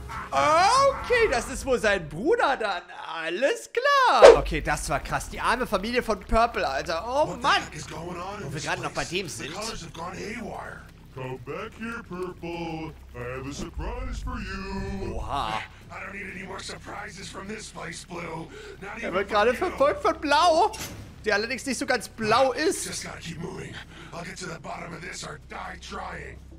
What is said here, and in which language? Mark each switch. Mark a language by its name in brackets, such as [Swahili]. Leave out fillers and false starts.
[German] Okay, das ist wohl sein Bruder dann. Alles klar. Okay, das war krass. Die arme Familie von Purple, Alter. Oh, Mann. Wo wir gerade noch bei dem sind. [English] Come back here, Purple. I have a surprise for you. Oha. I don't need any more surprises from this place, Blue. Not [German] even wird gerade verfolgt von Blau, der allerdings nicht so ganz blau ist. [English] Just gotta keep moving. I'll get to the bottom of this or die trying.